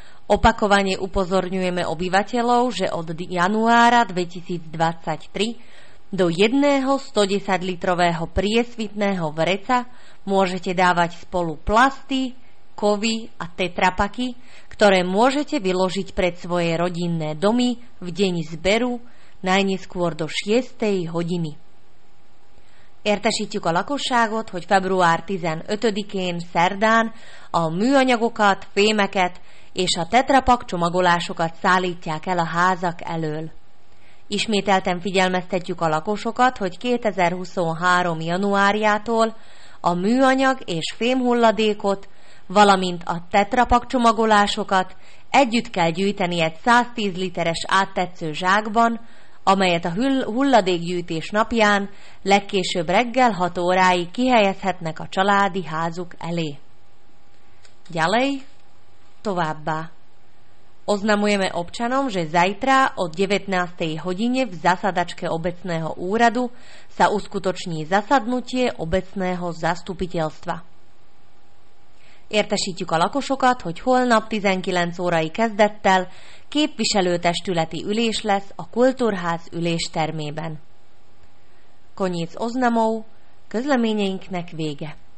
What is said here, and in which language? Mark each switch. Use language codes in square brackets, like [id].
[sk] Opakovane upozorňujeme obyvateľov, že od januára 2023 do jedného 110-litrového priesvitného vreca môžete dávať spolu plasty, kovy a tetrapaky, ktoré môžete vyložiť pred svoje rodinné domy v deň zberu najneskôr do 6. hodiny. [hu] Értesítjük a lakosságot, hogy február 15-én szerdán a műanyagokat, fémeket és a tetrapak csomagolásokat szállítják el a házak elől. Ismételten figyelmeztetjük a lakosokat, hogy 2023. januárjától a műanyag és fémhulladékot, valamint a tetrapak csomagolásokat együtt kell gyűjteni egy 110 literes áttetsző zsákban, amelyet a hulladékgyűjtés napján legkésőbb reggel 6 óráig kihelyezhetnek a családi házuk elé. [sk] Ďalej, [hu] továbbá. [sk] Oznamujeme občanom, že zajtra od 19. hodine v zasadačke obecného úradu sa uskutoční zasadnutie obecného zastupiteľstva. [hu] Értesítjük a lakosokat, hogy holnap 19 órai kezdettel képviselőtestületi ülés lesz a Kultúrház üléstermében. [sk] Koniec oznamov, [hu] közleményeinknek vége.